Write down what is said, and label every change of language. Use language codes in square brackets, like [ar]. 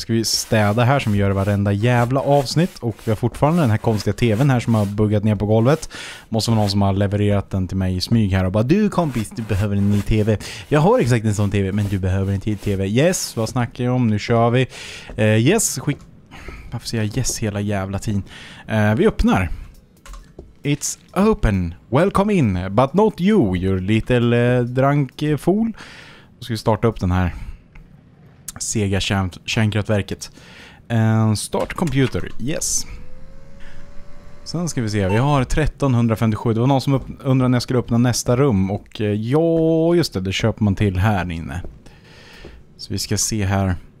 [sv] Ska vi städa här som vi gör varenda jävla avsnitt. Och vi har fortfarande den här konstiga tvn här som har buggat ner på golvet. Måste vara någon som har levererat den till mig i smyg här och bara: du kompis, du behöver en ny tv. Jag har exakt en sån tv, men du behöver en till tv. Yes, vad snackar jag om? Nu kör vi. Yes, skick. Varför säger jag yes hela jävla tiden? Vi öppnar. [en] It's open. Welcome in. But not you, your little drunk fool. [sv] Då ska vi starta upp den här sega kärnkraftverket. [en] Start computer. [sv] Yes. Sen ska vi se. Vi har 1357. Det var någon som undrade när jag skulle öppna nästa rum. Och ja, just det. Det köper man till här inne. Så vi ska se här.